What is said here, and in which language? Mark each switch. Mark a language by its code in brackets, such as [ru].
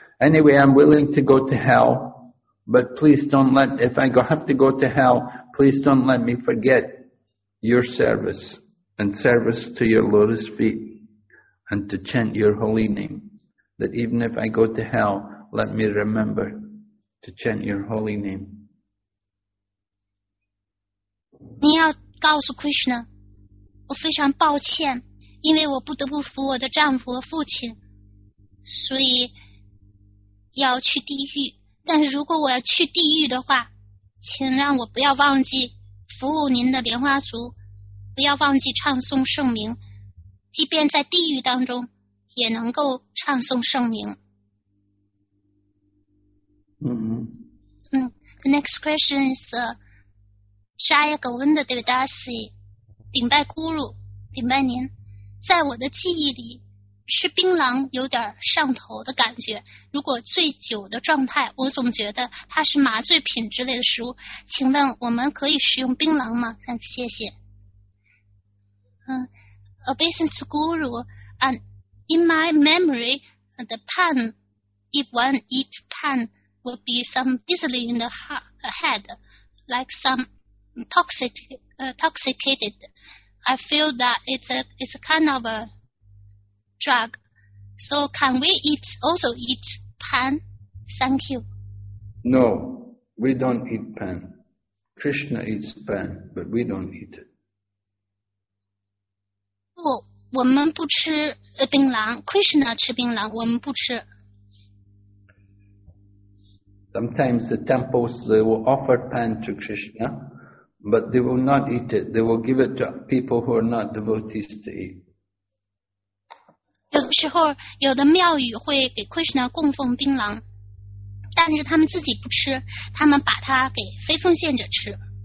[en] Anyway, I'm willing to go to hell, but please don't let, if I have to go to hell, please don't let me forget. Your service and service to your lotus feet and to chant your holy name. That even if I go to hell, let me remember to chant your holy name. [zh] 你要告诉 Krishna, 我非常抱歉，因为我不得不服我的丈夫和父亲，所以要去地狱。但是如果我要去地狱的话，请让我不要忘记服务您的莲花族。不要忘记唱诵圣名，即便在地狱当中，也能够唱诵圣名。 [en] The next question is Shaya Govinda Devadasi, [zh] 顶拜 Guru, 顶拜您。在我的记忆里，吃槟榔有点上头的感觉。如果醉酒的状态，我总觉得它是麻醉品之类的食物。请问我们可以食用槟榔吗？谢谢。 [en] Obeisance to Guru, and in my memory, the pan, if one eats pan, will be some dizzily in the head, like some intoxicated. I feel that it's a kind of a drug. So can we also eat pan? Thank you. No, we don't eat pan. Krishna eats pan, but we don't eat it. [zh] 不，我们不吃槟榔。Krishna 吃槟榔，我们不吃。 [en] Sometimes the temples, they will offer pan to Krishna, but they will not eat it. They will give it to people who are not devotees to eat. [zh] 有的时候，有的庙宇会给 Krishna 供奉槟榔，但是他们自己不吃，他们把它给非奉献者吃。